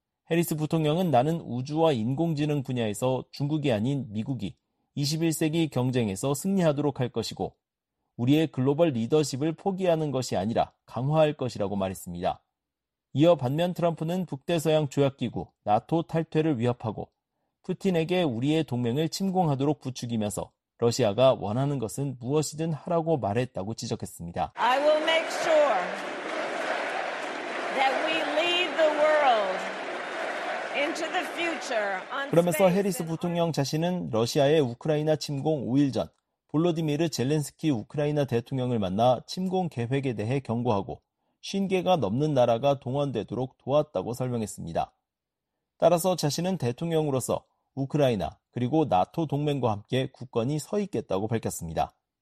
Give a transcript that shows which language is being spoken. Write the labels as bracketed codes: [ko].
[ko] 해리스 부통령은 나는 우주와 인공지능 분야에서 중국이 아닌 미국이 21세기 경쟁에서 승리하도록 할 것이고 우리의 글로벌 리더십을 포기하는 것이 아니라 강화할 것이라고 말했습니다. 이어 반면 트럼프는 북대서양 조약기구 나토 탈퇴를 위협하고 푸틴에게 우리의 동맹을 침공하도록 부추기면서 러시아가 원하는 것은 무엇이든 하라고 말했다고 지적했습니다. [en] I will make sure that we lead the world into the future. [ko] 그러면서 해리스 부통령 자신은 러시아의 우크라이나 침공 5일 전 볼로디미르 젤렌스키 우크라이나 대통령을 만나 침공 계획에 대해 경고하고 50개가 넘는 나라가 동원되도록 도왔다고 설명했습니다. 따라서 자신은 대통령으로서 우크라이나 그리고 나토 동맹과 함께 굳건히 서 있겠다고 밝혔습니다.